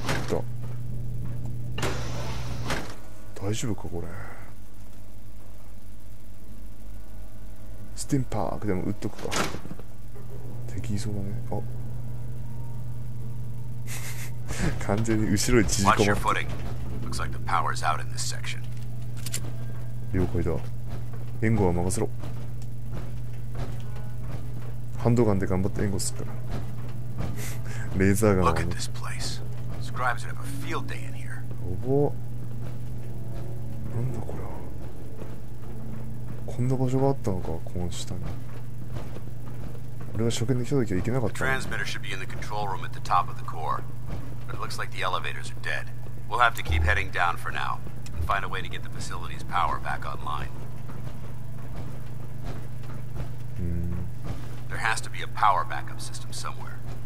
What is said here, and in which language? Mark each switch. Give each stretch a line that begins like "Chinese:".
Japanese: 行った。大丈夫かこれ。スティンパークでも撃っとくか。敵いそうだね。あ。完全に後ろに縮こまった。
English: Looks like the power's out in this section.
Japanese: 了解だ。援護は任せろ。ハンドガンで頑張って援護するから。レーザーガン。
English: Look at this place. Scribes would have a field day in here.
Japanese: おぼ。なんだこれは。こんな場所があったのか、この下に。俺が初見に来た時は行けなかった。
English: Transmitter should be in the control room at the top of the core. But it looks like the elevators are dead. We'll have to keep heading down for now and find a way to get the facility's power back online. There has to be a power backup system somewhere.